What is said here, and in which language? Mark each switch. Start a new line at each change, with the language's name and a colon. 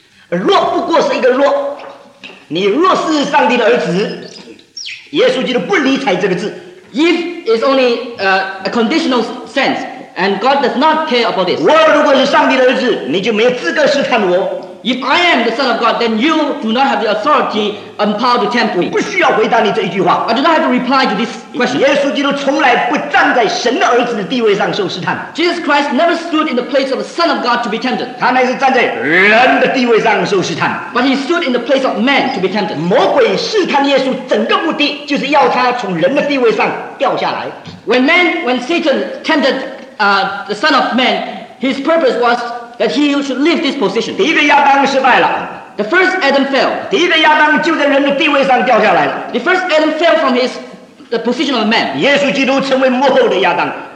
Chinese: 若不过是一个若, 你若是上帝的儿子, 耶稣基督不理睬这个字。
English: If is only a conditional sense, and God does not care about this.
Chinese: 我如果是上帝的儿子, 你就没有资格试探我。
English: If I am the Son of God, then you do not have the authority and power to tempt me.
Chinese: 不需要回答你这一句话。
English: I do not have to reply to this question.
Chinese: 耶稣基督从来不站在神的儿子的地位上受试探。
English: Jesus Christ never stood in the place of the Son of God to be tempted.
Chinese: 他乃是站在人的地位上受试探。
English: But he stood in the place of man to be tempted.
Chinese: 魔鬼试探耶稣整个目的就是要他从人的地位上掉下来。
English: When Satan tempted the Son of Man, his purpose was that he should leave this position. The first Adam fell. The first Adam fell from the position of a man.